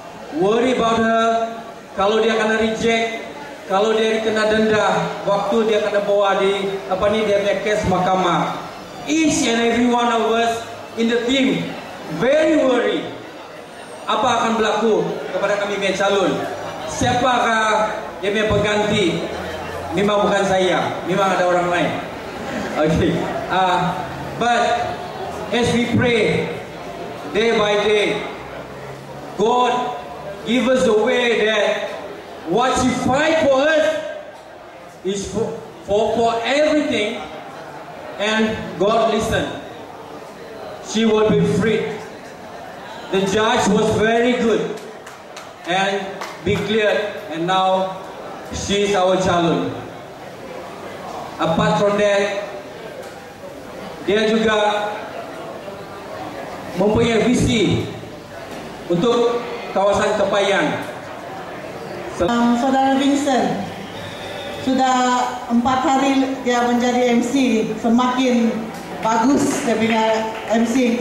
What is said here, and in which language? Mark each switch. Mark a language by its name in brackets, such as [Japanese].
[English] Worry about her, [Malay] kalau dia kena reject, kalau dia kena denda, waktu dia kena bawa di, apa ni, dia punya case mahkamah. [English] Each and every one of us in the team, very worry. [Malay] Apa akan berlaku kepada kami punya calon? Siapakah yang punya pengganti? Memang bukan saya, memang ada orang lain. Okay. [English] But as we pray, day by day, God give us a way that what you fight for us is for everything, and God listen. She will be free. The judge was very good and be cleared, and now she is our calon. Apart from that, [Malay] dia juga mempunyai visi untuk kawasan Kepayan. Saudara Vincent, sudah 4 hari dia menjadi MC, semakin bagus dia punya MC.